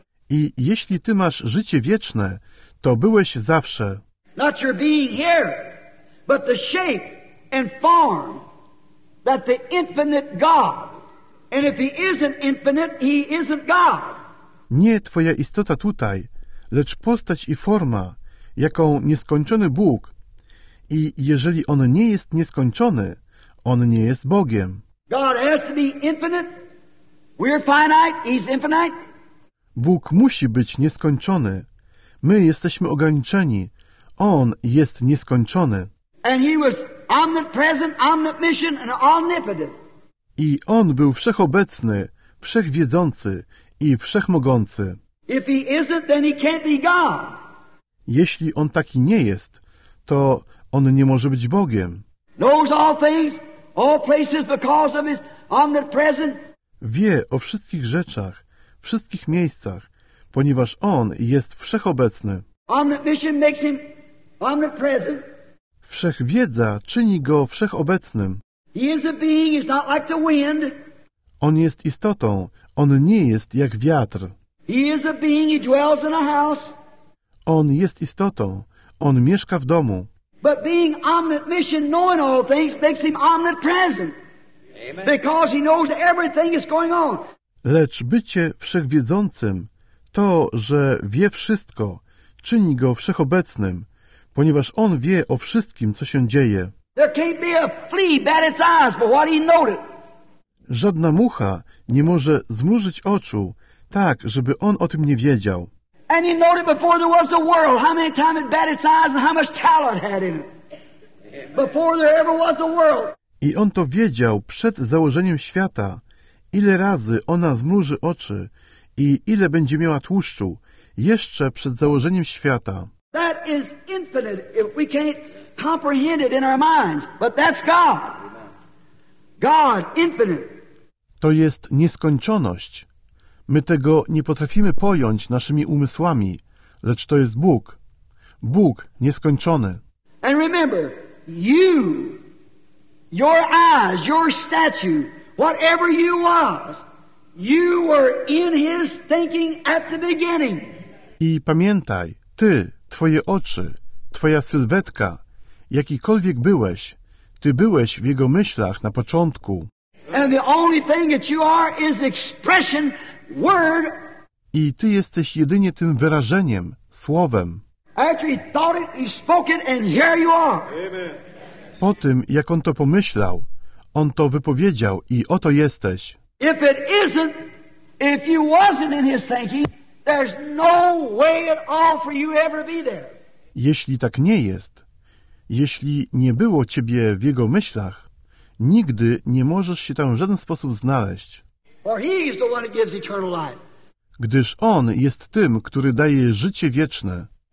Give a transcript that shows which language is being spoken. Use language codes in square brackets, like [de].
[pl] I jeśli ty masz życie wieczne, to byłeś zawsze. [en] Not your being here, but the shape and form that the infinite God. And if he isn't infinite, he isn't God. [pl] Nie twoja istota tutaj, lecz postać i forma, jaką nieskończony Bóg. I jeżeli on nie jest nieskończony, on nie jest Bogiem. [en] God has to be infinite. We're finite, he's infinite. [pl] Bóg musi być nieskończony. My jesteśmy ograniczeni. On jest nieskończony. [en] And he was omnipresent, omniscient, and omnipotent. [pl] I On był wszechobecny, wszechwiedzący i wszechmogący. [en] If he isn't, then he can't be God. [pl] Jeśli On taki nie jest, to On nie może być Bogiem. [en] Knows all things, all places because of his omnipresent. [pl] Wie o wszystkich rzeczach, wszystkich miejscach, ponieważ On jest wszechobecny. [en] Omniscience makes him omnipresent. [pl] Wszechwiedza czyni Go wszechobecnym. [en] He is a being, he's not like the wind. [pl] On jest istotą, on nie jest jak wiatr. [en] He is a being, he dwells in a house. [pl] On jest istotą, on mieszka w domu. [en] But being omniscient, knowing all things, makes him omnipresent. Because he knows everything is going on. [pl] Lecz bycie wszechwiedzącym, to, że wie wszystko, czyni go wszechobecnym, ponieważ on wie o wszystkim, co się dzieje. [en] There can't be a flea bat its eyes but what he noted. [pl] Żadna mucha nie może zmrużyć oczu tak, żeby on o tym nie wiedział. [en] And he noted before there was a world how many times it bat its eyes and how much talent had in it. Before there ever was a world. [pl] I on to wiedział przed założeniem świata, ile razy ona zmruży oczy i ile będzie miała tłuszczu jeszcze przed założeniem świata. [en] That is infinite if we can't comprehend it in our minds, but that's God. God, infinite. [pl] To jest nieskończoność. My tego nie potrafimy pojąć naszymi umysłami, lecz to jest Bóg. Bóg nieskończony. [en] And remember, you, your eyes, your statue, whatever you was, you were in his thinking at the beginning. [pl] I pamiętaj, ty, twoje oczy, twoja sylwetka, jakikolwiek byłeś, ty byłeś w jego myślach na początku. [en] And the only thing that you are is expression, word. [pl] I ty jesteś jedynie tym wyrażeniem, słowem. [en] After he thought it, he spoke it, and here you are. [pl] Po tym, jak on to pomyślał, on to wypowiedział i oto jesteś. [en] If it isn't, if you wasn't in his thinking, there's no way at all for you ever be there. [pl] Jeśli tak nie jest, jeśli nie było ciebie w jego myślach, nigdy nie możesz się tam w żaden sposób znaleźć. [en] For he is the one that gives eternal life. [pl] Gdyż on jest tym, który daje życie wieczne.